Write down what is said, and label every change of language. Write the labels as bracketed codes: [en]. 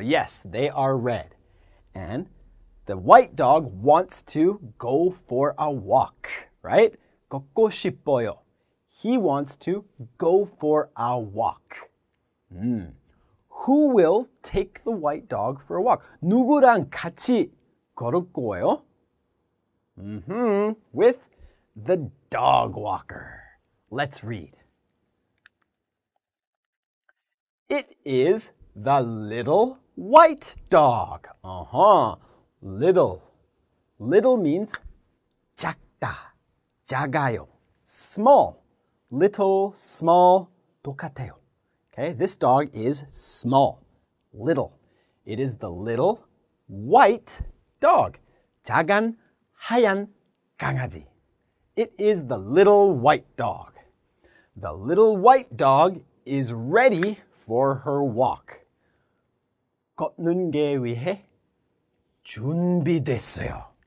[en] Yes, they are red. And the white dog wants to go for a walk, right? [ko] 걷고 싶어요. [en] He wants to go for a walk. Who will take the white dog for a walk? [ko] 누구랑 같이 걸을 거예요? [en] With the dog walker. Let's read. It is the little white dog. Little. Little means [ko] 작다, 작아요. [en] Small. Little, small, 똑같아요. Okay, this dog is small. Little. It is the little white dog. [ko] 작은 하얀 강아지. [en] It is the little white dog. The little white dog is ready for her walk. [ko] 걷는 게 위해 준비됐어요.